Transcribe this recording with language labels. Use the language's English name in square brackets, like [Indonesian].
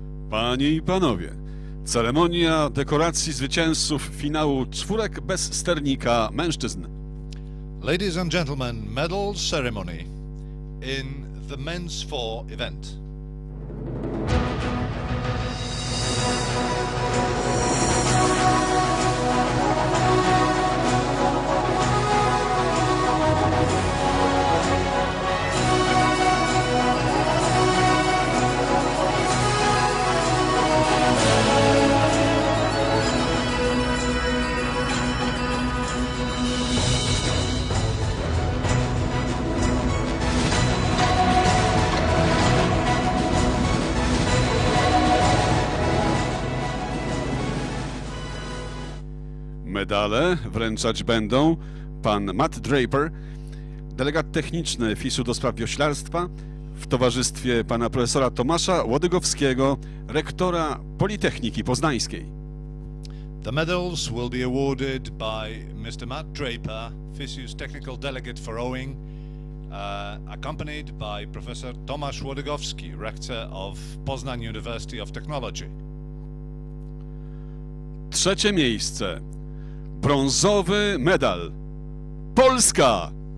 [Polish] panie i panowie. Ceremonia dekoracji zwycięzców finału czwórek bez sternika mężczyzn. [English] Ladies and gentlemen, medal ceremony in the men's four event. [Polish] Medale wręczać będą pan Matt Draper, delegat techniczny FISU do spraw wioślarstwa, w towarzystwie pana profesora Tomasza Łodygowskiego, rektora Politechniki Poznańskiej. [English] The medals will be awarded by Mr. Matt Draper, FISU's technical delegate for rowing, accompanied by profesor Tomasz Łodygowski, rector of Poznań University of Technology. [Polish] Trzecie miejsce. Brązowy medal. Polska!